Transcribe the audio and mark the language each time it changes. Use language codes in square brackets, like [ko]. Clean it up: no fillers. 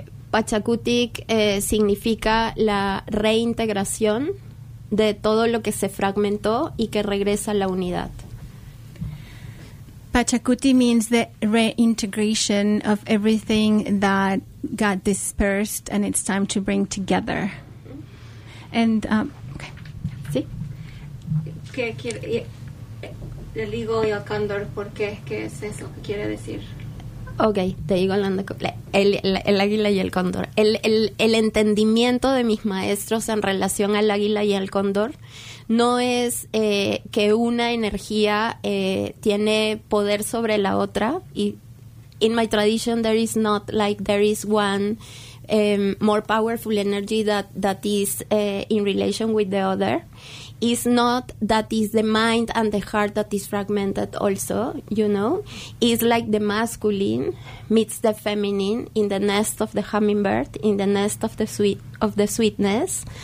[es] Pachacutic significa la reintegración de todo lo que se fragmentó y que regresa a la unidad. [en] Pachacuti means the reintegration of everything that got dispersed, and it's time to bring together. And okay. [es] Sí. ¿Qué quiere el eagle y el cóndor? ¿Por qué? ¿Qué es eso? ¿Qué quiere decir? Okay, te digo hablando el águila y el cóndor. El entendimiento de mis maestros en relación al águila y al cóndor no es que una energía tiene poder sobre la otra. [en] Y in my tradition, there is not like there is one more powerful energy that is in relation with the other. It's not that is the mind and the heart that is fragmented also, you know. It's like the masculine meets the feminine in the nest of the hummingbird, in the nest of the sweetness.